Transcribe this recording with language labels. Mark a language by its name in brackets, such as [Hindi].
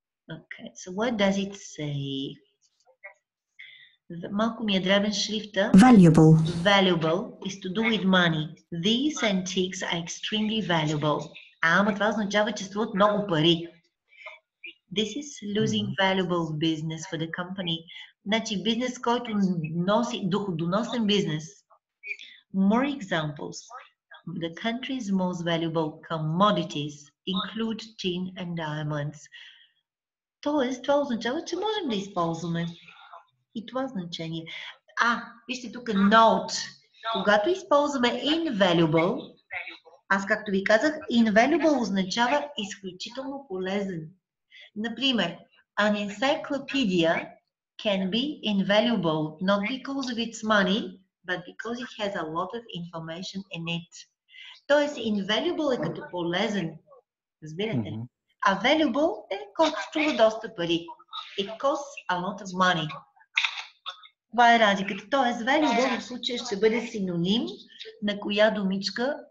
[English] Okay, so what does it say? [Bulgarian] Малко ми е дребен шрифта. [English] Valuable. Valuable is to do with money. These antiques are extremely valuable. [Bulgarian] Ама това означава, че струват много пари. [English] This is losing valuable business for the company. [Bulgarian] Значи бизнес, който носи доходоносен бизнес. [English] More examples. The country's most valuable commodities include tin and diamonds. [Bulgarian] Тоест, това означава, че можем да използваме. И това значение. Вижте тук е note. Когато използваме invaluable, аз както ви казах, invaluable означава изключително полезен. Например, [English] an encyclopedia can be invaluable, not because of its money, but because it has a lot of information in it. [Bulgarian] Тоест, invaluable е като полезен. Разбирате ли? Available е колко струва доста пари. [English] It costs a lot of money. [Bulgarian] Това е разликата. Тоест, value в този случай ще бъде синоним на коя думичка.